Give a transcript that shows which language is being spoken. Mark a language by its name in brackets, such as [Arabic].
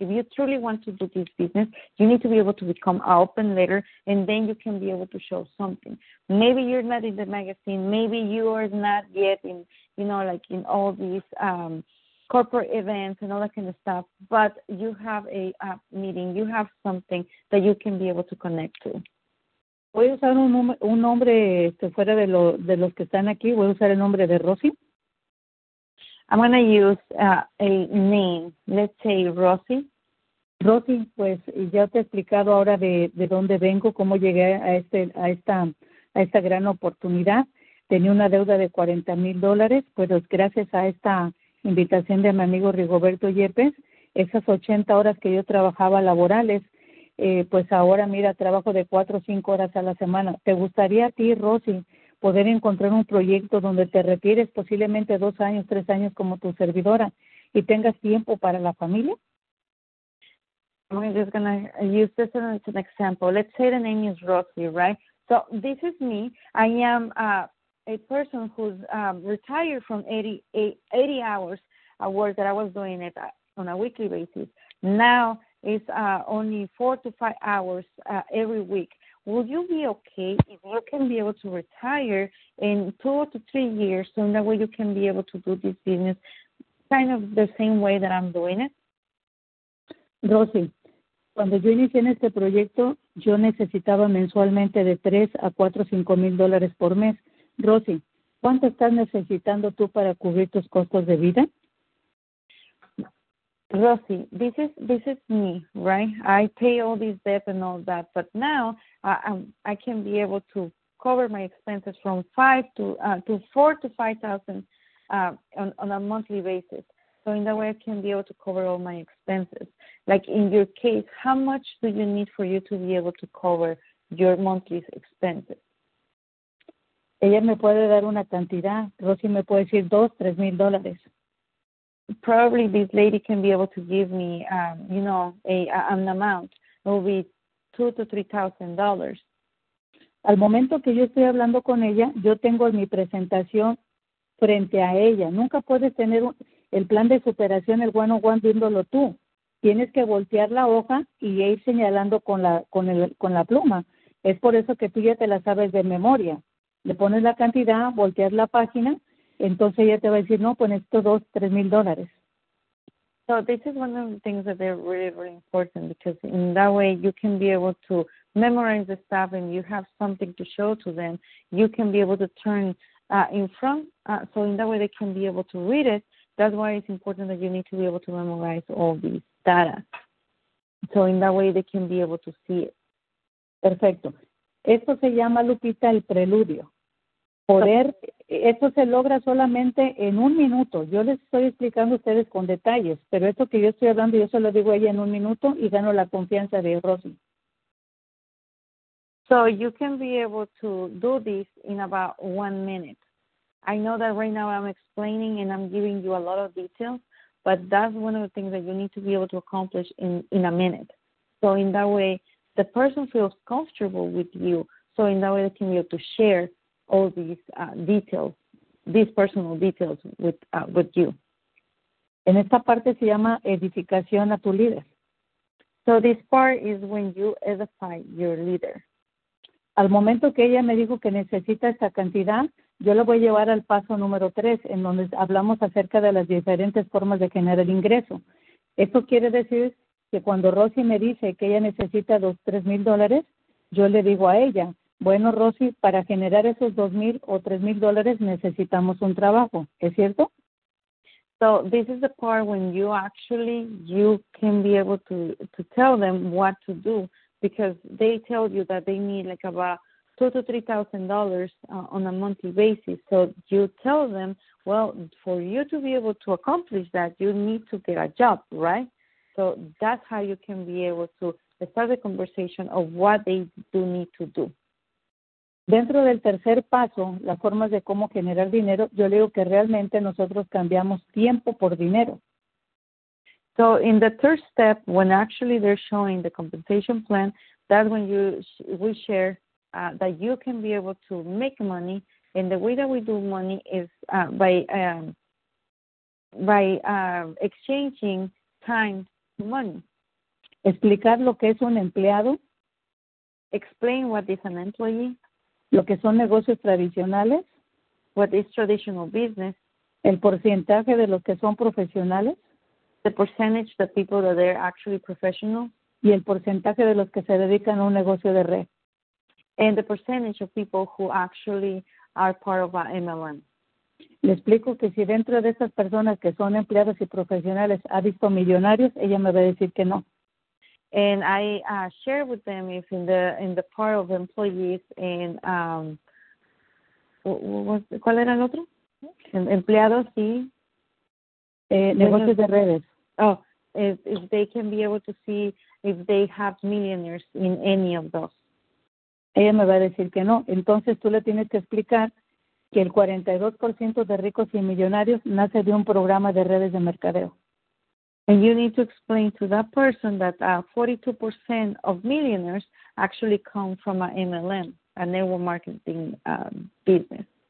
[English] If you truly want to do this business, you need to be able to become an open letter, and then you can be able to show something. Maybe you're not in the magazine. Maybe you are not yet in, you know, like in all these corporate events and all that kind of stuff, but you have a meeting. You have something that you can be able to connect to. [Spanish] Voy a usar un nombre fuera de los que están aquí. Voy a usar el nombre de Rosy. [English] I'm going to use a name. Let's say Rosy. [Spanish] Rosy, pues ya te he explicado ahora de dónde vengo, cómo llegué a esta gran oportunidad. tenía una deuda de $40,000, pero gracias a esta invitación de mi amigo Rigoberto Yepes, esas 80 horas que yo trabajaba laborales, pues ahora mira, trabajo de 4 o 5 horas a la semana. ¿Te gustaría a ti, Rosy, poder encontrar un proyecto donde te retires posiblemente 2 años, 3 años como tu servidora y tengas tiempo para la familia? [English] I'm just going to use this as an example. Let's say the name is Rosy, right? So this is me. I am a person who's retired from 80 hours of work that I was doing it on a weekly basis. Now it's only 4 to 5 hours every week. Would you be okay if you can be able to retire in 2 to 3 years so that way you can be able to do this business kind of the same way that I'm doing it? Rosy. [Spanish] Cuando yo inicié en este proyecto, yo necesitaba mensualmente de 3 a 4 o 5 mil dólares por mes. Rosy, ¿cuánto estás necesitando tú para cubrir tus costos de vida? [English] Rosy, this is me, right? I pay all these debts and all that, but now I can be able to cover my expenses from 4 to 5 thousand on a monthly basis. So in that way, I can be able to cover all my expenses. Like in your case, how much do you need for you to be able to cover your monthly expenses? [Spanish] Ella me puede dar una cantidad. Rosy me puede decir $2,000-$3,000. [English] Probably this lady can be able to give me, you know, an amount. It will be $2,000 to $3,000. [Spanish] Al momento que yo estoy hablando con ella, yo tengo mi presentación frente a ella. Nunca puedes tener el plan de superación, el one-on-one, viéndolo tú. Tienes que voltear la hoja y ir señalando con la pluma. Es por eso que tú ya te la sabes de memoria. Le pones la cantidad, volteas la página, entonces ella te va a decir, no, pues necesito $2,000 to $3,000. [English] So this is one of the things that are really, really important because in that way you can be able to memorize the stuff and you have something to show to them. You can be able to turn in front, so in that way they can be able to read it. That's why it's important that you need to be able to memorize all these data. So in that way they can be able to see it. [Spanish] Perfecto. Esto se llama, Lupita, el preludio. Poder, okay. Esto se logra solamente en un minuto. Yo les estoy explicando a ustedes con detalles, pero esto que yo estoy hablando, yo se lo digo a ella en un minuto y gano la confianza de Rosy. [English] So you can be able to do this in about 1 minute. I know that right now I'm explaining and I'm giving you a lot of details, but that's one of the things that you need to be able to accomplish in a minute. So in that way, the person feels comfortable with you. So in that way, they can be able to share all these details, these personal details with you. [Spanish] En esta parte se llama edificación a tu líder. [English] So this part is when you edify your leader. [Spanish] Al momento que ella me dijo que necesita esta cantidad, yo la voy a llevar al paso número 3, en donde hablamos acerca de las diferentes formas de generar ingreso. Esto quiere decir que cuando Rosy me dice que ella necesita $2,000 to $3,000, yo le digo a ella, bueno, Rosy, para generar esos $2,000 o $3,000 necesitamos un trabajo, ¿es cierto? [English] So this is the part when you actually, you can be able to tell them what to do, because they tell you that they need like about $2,000 to $3,000 on a monthly basis. So you tell them, well, for you to be able to accomplish that, you need to get a job, right? So that's how you can be able to start the conversation of what they do need to do. [Spanish] Dentro del tercer paso, las formas de cómo generar dinero, yo le digo que realmente nosotros cambiamos tiempo por dinero. [English] So in the third step, when actually they're showing the compensation plan, that's when we share that you can be able to make money, and the way that we do money is by exchanging time to money. [Spanish] Explicar lo que es un empleado. [English] Explain what is an employee. [Spanish] Lo que son negocios tradicionales. [English] What is traditional business. [Spanish] El porcentaje de los que son profesionales. [English] The percentage of people that are actually professional. [Spanish] Y el porcentaje de los que se dedican a un negocio de red. [English] And the percentage of people who actually are part of MLM. [Spanish] Le explico que si dentro de estas personas que son empleadas y profesionales ha visto millonarios, ella me va a decir que no. [English] And I share with them if in the part of employees and [Spanish] ¿Cuál era el otro? Empleados y negocios de redes. [English] Oh, if they can be able to see if they have millionaires in any of those. [Spanish] Ella me va a decir que no. Entonces tú le tienes que explicar que el 42% de ricos y millonarios nace de un programa de redes de mercadeo. [English] And you need to explain to that person that 42% of millionaires actually come from an MLM, a network marketing business.